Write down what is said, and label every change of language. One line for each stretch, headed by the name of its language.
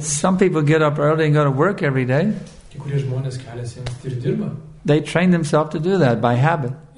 English: some people get up early and go to work every day.
Lithuanian: kurie žmonės keliasi ir dirba.
English: They train themselves to do that by habit.